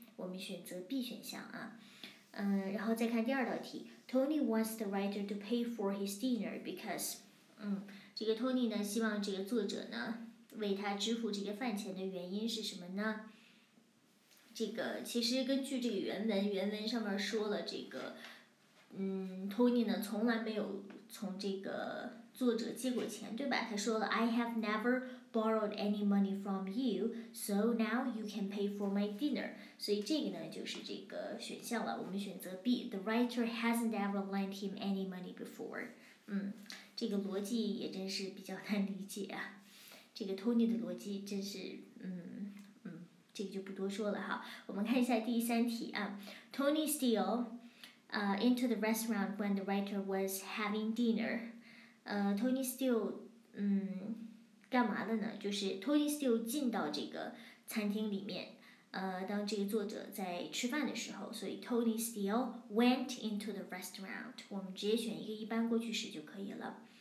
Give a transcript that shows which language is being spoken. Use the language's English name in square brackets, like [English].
[Chinese] 我们选择 B 选项啊，然后再看第二道题 ， [English] Tony wants the writer to pay for his dinner because， [Chinese] 这个 Tony 呢希望这个作者呢。为他支付这个饭钱的原因是什么呢？这个其实根据这个原文上面说了，这个Tony 呢从来没有从这个作者借过钱，对吧？他说了 [English] I have never borrowed any money from you, so now you can pay for my dinner。 [Chinese] 所以这个呢就是这个选项了，我们选择 B， [English] The writer hasn't ever lent him any money before。 [Chinese] 这个逻辑也真是比较难理解啊，这个 Tony 的逻辑真是这个就不多说了哈。我们看一下第三题啊， [English] Tony steal into the restaurant when the writer was having dinner。 [Chinese] Tony steal 干嘛的呢？就是 Tony steal 进到这个餐厅里面，当这个作者在吃饭的时候，所以 [English] Tony steal went into the restaurant， [Chinese] 我们直接选一个一般过去式就可以了。